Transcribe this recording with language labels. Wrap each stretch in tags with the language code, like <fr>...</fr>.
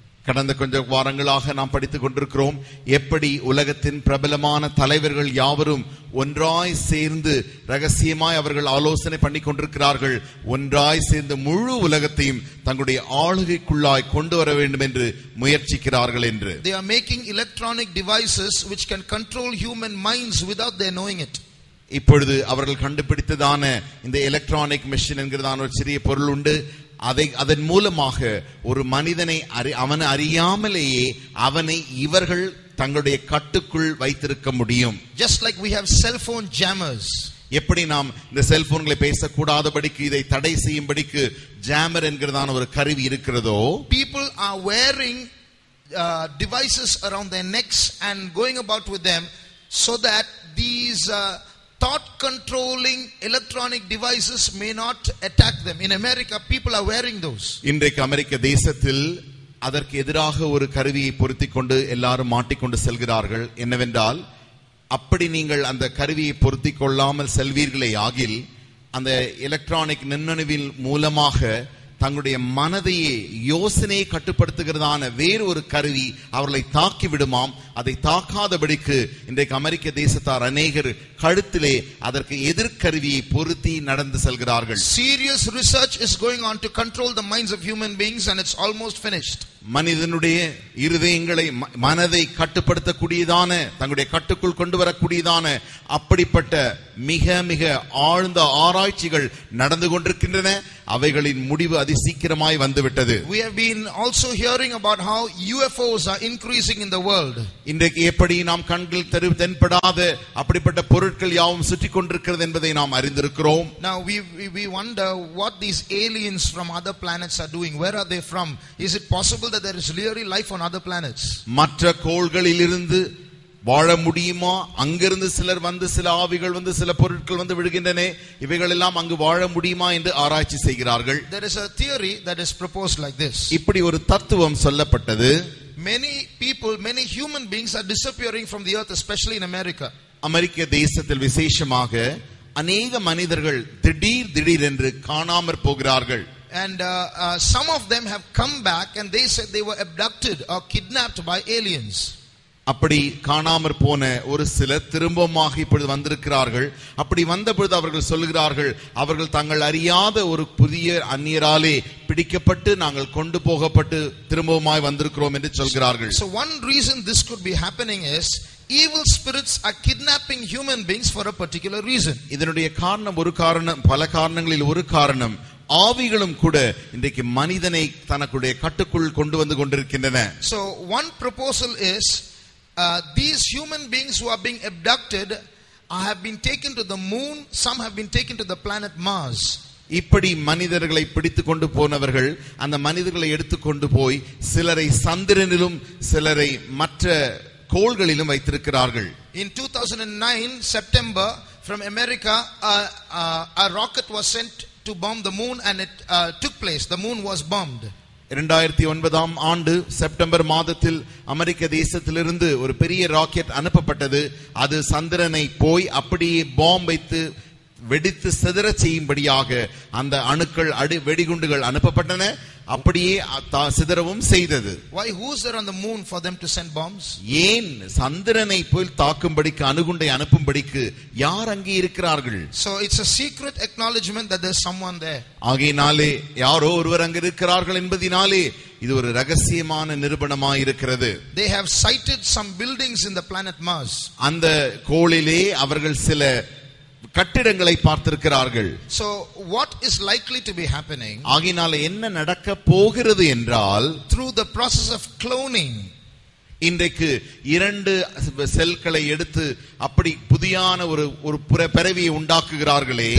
<ta>கடந்த கொஞ்ச வாரங்களாக நாம் படித்துக் கொண்டிருக்கிறோம் எப்படி உலகத்தின் பிரபலமான தலைவர்கள் யாவரும் ஒன்றாய் சேர்ந்து ரகசியமாய் அவர்கள் ஆலோசனை பண்ணி கொண்டிருக்கிறார்கள், ஒன்றாய் சேர்ந்து முழு உலகத்தையும் தங்களுடைய ஆளுகைக்குள்ளாய் கொண்டு வர வேண்டும் என்று முயற்சிக்கிறார்கள் என்று.</ta> <en>They are making electronic devices which can control human minds without their knowing it.</en> <ta>இப்பொழுது அவர்கள் கண்டுபிடித்ததான இந்த எலக்ட்ரானிக் மிஷின் என்கிறதான ஒரு சிறிய பொருள் உண்டு, அதன் மூலமாக ஒரு மனிதனை அவன் அறியாமலேயே அவனை இவர்கள் தங்களுடைய கட்டுக்குள் வைத்திருக்க முடியும்.</ta> <en>Just like we have cell phone jammers.</en> <ta>எப்படி நாம் இந்த செல்போன்களை பேசக்கூடாதபடிக்கு இதை தடை செய்யும்படிக்கு ஜாமர் என்கிறதான ஒரு கருவி இருக்கிறதோ,</ta> <en>People are wearing devices around there necks and going about with them so that these thought controlling electronic devices may not attack them. In America people are wearing those.</en> <ta>இன்றைக்கு அமெரிக்க தேசத்தில் அதற்கு எதிராக ஒரு கருவியை பொருத்திக்கொண்டு எல்லாரும் மாட்டிக்கொண்டு செல்கிறார்கள். என்னவென்றால், அப்படி நீங்கள் அந்த கருவியை பொருத்திக் கொள்ளாமல் செல்வீர்களே ஆகில், அந்த எலக்ட்ரானிக் நுண்ணணுவின் மூலமாக தங்களுடைய மனதையே யோசனையை கட்டுப்படுத்துகிறதான வேறு ஒரு கருவி அவர்களை தாக்கி விடுமாம். அதை தாக்காதபடிக்கு இன்றைக்கு அமெரிக்க தேசத்தார் அநேகர் கழுத்திலே அதற்கு எதிர்கருவியை பொருத்தி நடந்து செல்கிறார்கள்.</ta> <en>Serious research is going on to control the minds of human beings and it's almost finished.</en> <ta>மனிதனுடைய இருதயங்களை மனதை கட்டுப்படுத்தக்கூடியதான தங்களுடைய கட்டுக்குள் கொண்டு வரக்கூடியதான அப்படிப்பட்ட மிக மிக ஆழ்ந்த ஆராய்ச்சிகள் நடந்து கொண்டிருக்கின்றன. அவைகளின் முடிவு அதி சீக்கிரமாய் வந்துவிட்டது.</ta> <en>We have been also hearing about how UFOs are increasing in the world.</en> <ta>இன்றைக்கு எப்படி நாம் கண்கள் தென்படாத அப்படிப்பட்ட பொருட்கள் யாவும் சுற்றி கொண்டிருக்கிறது என்பதை நாம் அறிந்திருக்கிறோம்.</ta> <en>Now we wonder what these aliens from other planets are doing. Where are they from? Is it possible that there is really life on other planets?</en> <ta>மற்ற கோள்களிலிருந்து வாழ முடியுமா? அங்கிருந்து சிலர் வந்து சில ஆவிகள் வந்து சில பொருட்கள் வந்து விடுகின்றன, இவைகள் எல்லாம் அங்கு வாழ முடியுமா என்று ஆராய்ச்சி செய்கிறார்கள்.</ta> <en>There is a theory that is proposed like this.</en> <ta>இப்படி ஒரு தத்துவம் சொல்லப்பட்டது.</ta> <en>Many people, many human beings are disappearing from the earth, especially in America.</en> <ta>அமெரிக்க தேசத்தில் விசேஷமாக அநேக மனிதர்கள் திடீர் திடீர் என்று காணாமற் போகிறார்கள்.</ta> <en>And some of them have come back and they said they were abducted or kidnapped by aliens.</en> <ta>அப்படி காணாமற் போன ஒரு சிலர் திரும்பமாக இப்பொழுது வந்திருக்கிறார்கள். அப்படி வந்தபொழுது அவர்கள் சொல்கிறார்கள், அவர்கள் தாங்கள் அறியாத ஒரு புதிய அந்நியராலே பிடிக்கப்பட்டு நாங்கள் கொண்டு போகப்பட்டு திரும்பமாய் வந்திருக்கிறோம் என்று சொல்கிறார்கள்.</ta> <en>So one reason this could be happening is evil spirits are kidnapping human beings for a particular reason.</en> <ta>இதனுடைய காரணம் ஒரு காரணம், பல காரணங்களில் ஒரு காரணம், ஆவிகளும் கூட இன்றைக்கு மனிதனை தனக்குடைய கட்டுக்குள் கொண்டு வந்து கொண்டிருக்கின்றன.</ta> <en>So one proposal is these human beings who are being abducted have been taken to the moon, some have been taken to the planet Mars.</en> <ta>இப்படி மனிதர்களை பிடித்து கொண்டு போனவர்கள் அந்த மனிதர்களை எடுத்துக்கொண்டு போய் சிலரை சந்திரனிலும் சிலரை மற்ற கோள்களிலும் வைத்திருக்கிறார்கள்.</ta> <en>In 2009 September from America a rocket was sent to bomb the moon and it took place. The moon was bombed.</en> <ta>2009 ஆண்டு செப்டம்பர் மாதத்தில் அமெரிக்க தேசத்திலிருந்து ஒரு பெரிய ராக்கெட் அனுப்பப்பட்டது. அது சந்திரனை போய் அப்படியே பாம்பு வைத்து வெடித்து சிதற செய்யும்படியாக அந்த அணுக்கள் அடி வெடிகுண்டுகள் அனுப்பப்பட்டன. அப்படியே சிதறவும் செய்தது.</ta> <en>Why who's there on the moon for them to send bombs?</en> <ta>ஏன் சந்திரனை போய் தாக்கும்படிக்கு அணுகுண்டை அனுப்பும்படிக்கு யார் அங்கே இருக்கிறார்கள்?</ta> <en>So it's a secret acknowledgement that there's someone there.</en> <ta>ஆகையினாலே யாரோ ஒருவர் அங்கே இருக்கிறார்கள் என்பதினாலே இது ஒரு ரகசியமான நிரூபணமாக இருக்கிறது.</ta> <en>They have sighted some buildings in the planet Mars.</en> <ta>அந்த கோளிலே அவர்கள் சில கட்டிடங்களை பார்த்திருக்கிறார்கள்.</ta> <en>So what is likely to be happening?</en> <ta>ஆகினால என்ன நடக்க போகிறது என்றால்,</ta> <en>through the process of cloning,</en> <ta>இன்றைக்கு இரண்டு செல்களை எடுத்து அப்படி புதியான ஒரு ஒரு புற பிறவியை உண்டாக்குகிறார்களே.</ta>